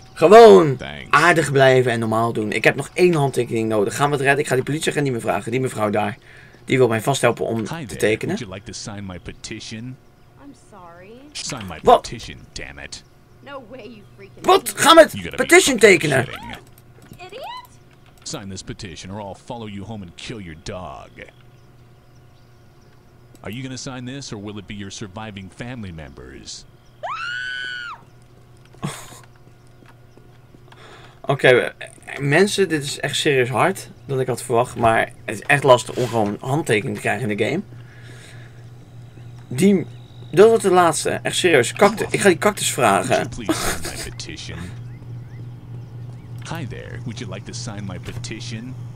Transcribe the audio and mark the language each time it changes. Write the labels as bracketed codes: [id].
[nl] Gewoon aardig blijven en normaal doen. Ik heb nog één handtekening nodig. Gaan we het redden? Ik ga die politieagent niet meer vragen. Die mevrouw daar, die wil mij vast helpen om te tekenen. [en] Would you like to sign my petition? I'm sorry. Sign my petition, damn it. No way, you freaking. [nl] Wat? Ga met petition tekenen. [en] Idiot? Sign this petition or I'll follow you home and kill your dog. Are you gonna sign this or will it be your surviving family members? [nl] Oké, mensen, dit is echt serieus hard dan ik had verwacht, maar het is echt lastig om gewoon handtekening te krijgen in de game. Die, dat wordt de laatste, echt serieus. Cactus, ik ga die cactus vragen. [en] Hi there, would you like to sign my petition?